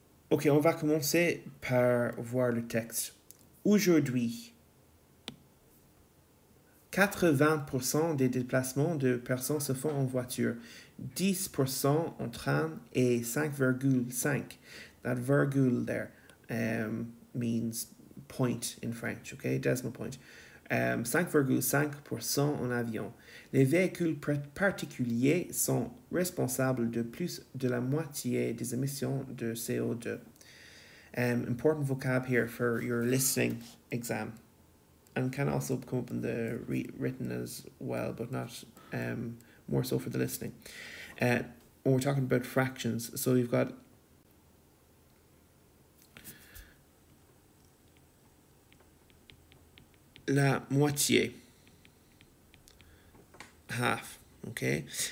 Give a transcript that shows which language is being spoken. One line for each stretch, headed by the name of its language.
French: Ok, on va commencer par voir le texte. Aujourd'hui, 80% des déplacements de personnes se font en voiture, 10% en train et 5,5.
English: That virgule there means point in French, okay? Decimal point.
French: 5,5% en avion. Les véhicules particuliers sont responsables de plus de la moitié des émissions de CO2.
English: Important vocab here for your listening exam. And can also come up in the written as well, but not more so for the listening. When we're talking about fractions, so you've got la moitié, half, okay?